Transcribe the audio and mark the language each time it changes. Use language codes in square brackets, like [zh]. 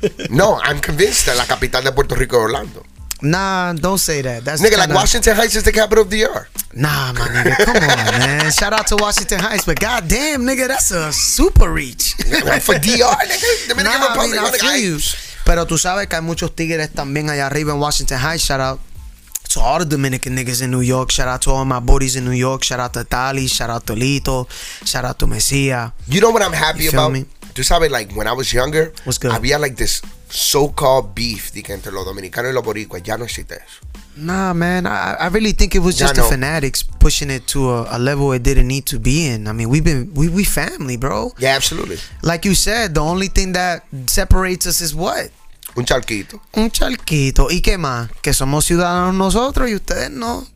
[en] No, I'm convinced that [es] la capital de Puerto Rico es Orlando. [en] Nah, don't say that. That's nigga, like Washington Heights is the capital of the DR. Nah, my nigga, come on, man. Shout out to Washington Heights, but goddamn, nigga, that's a super reach. For DR, nigga? Dominican Republic, I feel you. [es] Pero tú sabes que hay muchos tigres también allá arriba en Washington Heights. [en] Shout out to all the Dominican niggas in New York. Shout out to all my buddies in New York. Shout out to Tali. Shout out to Lito. Shout out to Mesia. You know what I'm happy about? Me? [es] Tú sabes, [en] like, when I was younger, what's good? [es] Había, [en] like, this so-called beef [es] entre los dominicanos y los boricuas. Ya no existe eso. [en] Nah, man. I really think it was just the fanatics pushing it to a level it didn't need to be in. I mean, we family, bro. Yeah, absolutely. Like you said, the only thing that separates us is what? [es] Un charquito. ¿Y qué más? Que somos ciudadanos nosotros y ustedes no.